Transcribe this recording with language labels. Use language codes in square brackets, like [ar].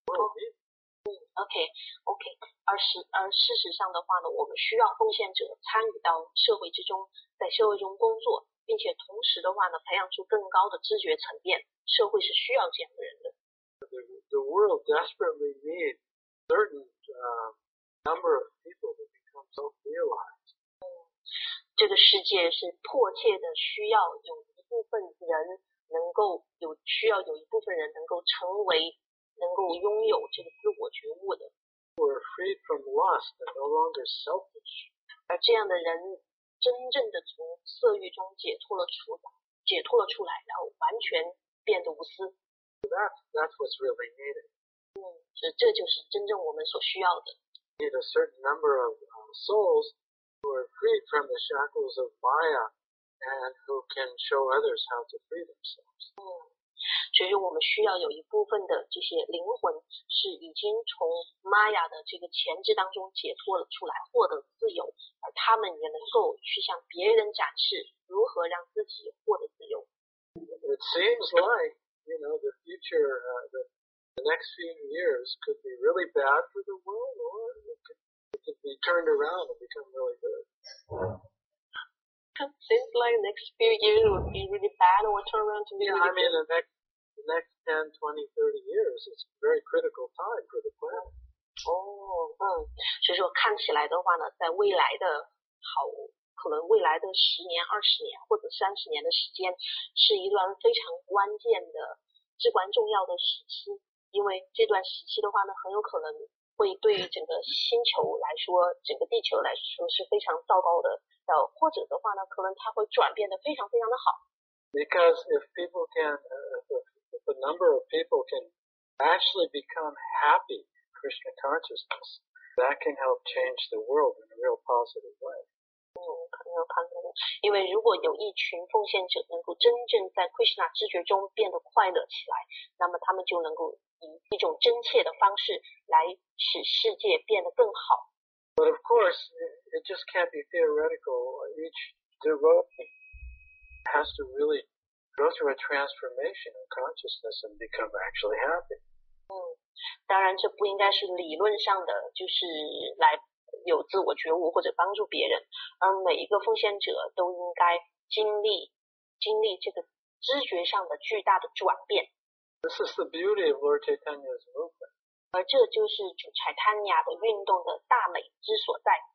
[zh] OK, 而事实上的话呢，我们需要奉献者参与到社会之中，在社会中工作，并且同时的话呢，培养出更高的知觉层面，社会是需要这样的人的。 [en] The world desperately needs certain number of people to become self-realized. [zh] 这个世界是迫切的需要有一部分人能够有需要有一部分人能够成为能够拥有这个自我觉悟的。 [en] We're freed from lust and no longer selfish. [zh] 而这样的人真正的从色欲中解脱了出来，然后完全变得无私。 [en] That's what's really needed. [zh] 这就是真正我们所需要的。 [en] Need a certain number of souls who are freed from the shackles of Maya and who can show others how to free themselves. [zh] 所以我们需要有一部分的这些灵魂是已经从 Maya 的这个钳制当中解脱了出来，获得自由，而他们也能够去向别人展示如何让自己获得自由。 [en] It seems like, you know, the future, the next few years could be really bad for the world, or it could be turned around and become really good. Seems like next few years would be really bad or turn around to be really good. Yeah, I mean, the next 10, 20, 30 years is a very critical time for the planet. [zh] 所以说看起来的话呢，在未来的好，可能未来的10年、20年或者30年的时间，是一段非常关键的、至关重要的时期。因为这段时期的话呢，很有可能会对于整个星球来说，整个地球来说是非常糟糕的。或者的话呢，可能它会转变得非常非常的好。 [en] Because if people can, if a number of people can actually become happy Krishna consciousness, that can help change the world in a real positive way. [zh] 因为如果有一群奉献者能够真正在 Krishna 知觉中变得快乐起来，那么他们就能够以一种真切的方式来使世界变得更好。 [en] But of course, it just can't be theoretical. Each devotee has to really go through a transformation of consciousness and become actually happy. [zh] 当然这不应该是理论上的，就是来有自我觉悟或者帮助别人，而每一个奉献者都应该经历这个知觉上的巨大的转变。 [en] This is the beauty of Lord Chaitanya's movement. [zh] 而这就是主柴坦尼亚的运动的大美之所在。